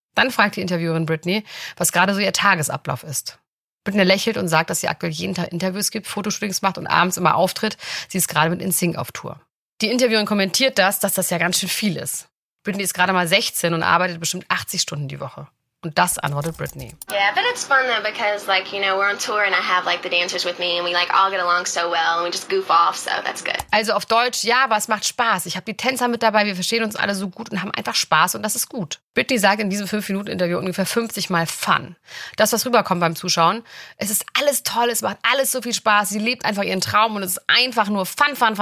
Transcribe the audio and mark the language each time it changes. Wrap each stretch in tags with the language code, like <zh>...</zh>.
<de>Dann fragt die Interviewerin Britney, was gerade so ihr Tagesablauf ist. Britney lächelt und sagt, dass sie aktuell jeden Tag Interviews gibt, Fotoshootings macht und abends immer auftritt. Sie ist gerade mit NSYNC auf Tour. Die Interviewerin kommentiert das, dass das ja ganz schön viel ist. Britney ist gerade mal 16 und arbeitet bestimmt 80 Stunden die Woche. Und das antwortet Britney.</de> <en>Yeah, but it's fun though because like, you know, we're on tour and I have like the dancers with me and we like all get along so well and we just goof off, so that's good.</en> <de>Also auf Deutsch, ja, aber es macht Spaß. Ich habe die Tänzer mit dabei, wir verstehen uns alle so gut und haben einfach Spaß und das ist gut. Britney sagt in diesem 5-Minuten-Interview ungefähr 50 Mal Fun. Das, was rüberkommt beim Zuschauen, es ist alles toll, es macht alles so viel Spaß, sie lebt einfach ihren Traum und es ist einfach nur Fun.</de>